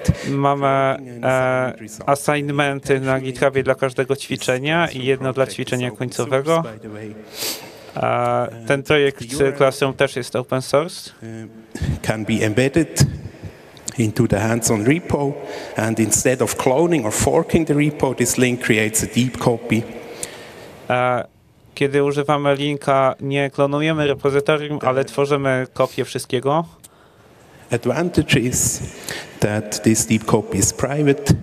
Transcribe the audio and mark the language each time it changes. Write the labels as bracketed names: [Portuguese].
[Polish] Mamy assignmenty na GitHubie dla każdego ćwiczenia i jedno dla ćwiczenia końcowego. Ten projekt Classroom też jest open source. [English] Can be embedded into the hands-on repo, and instead of cloning or forking the repo, this link creates a deep copy. [Polish] Kiedy używamy linka, nie klonujemy repozytorium, ale tworzymy kopię wszystkiego. [English] Advantage is that this deep copy is private.